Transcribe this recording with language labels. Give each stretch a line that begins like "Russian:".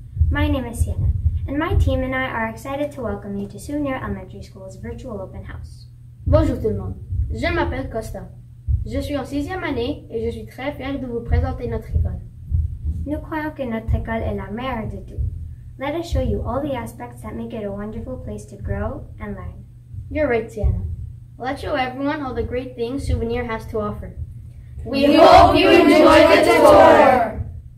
English: My name is Sienna, and my team and I are excited to welcome you to Souvenir Elementary School's virtual open house.
French: Bonjour tout le monde. Je m'appelle Costa. Je suis en sixième année et je suis très fière de vous présenter notre école. Nous croyons que notre école est la meilleure de tout.
English: Let us show you all the aspects that make it a wonderful place to grow and learn. You're right, Sienna. Let's show everyone all the great things Souvenir has to offer. We hope you enjoy the tour!